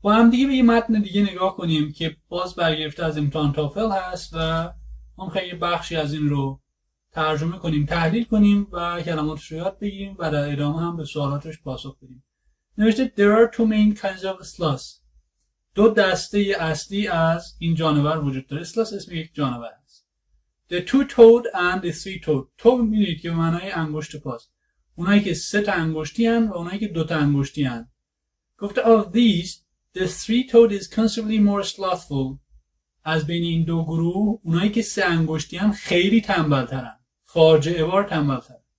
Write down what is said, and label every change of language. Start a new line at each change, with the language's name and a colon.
Persian: دیگه به یه متن دیگه نگاه کنیم که باز برگرفته از امتحان تافل هست و هم خیلی بخشی از این رو ترجمه کنیم، تحلیل کنیم و کلماتش رو یاد بگیریم و در ادامه هم به سوالاتش پاسخ بدیم. نوشته
English: There are two main kinds of sloths.
Persian: دو دسته اصلی از این جانور وجود داره.
English: Sloth
Persian: اسم یک جانور است.
English: The two-toed and the three-toed.
Persian: تو میدونید که معنای انگشت پاست. اونایی که سه تا انگشتی هن و اونایی که دو تا انگشتی هن. گفته
English: Of these, the three-toed is considerably more slothful.
Persian: از بین این دو گروه اونایی که سه انگشتی هم خیلی تنبل‌ترن، فاجعه‌وار تنبل‌ترن.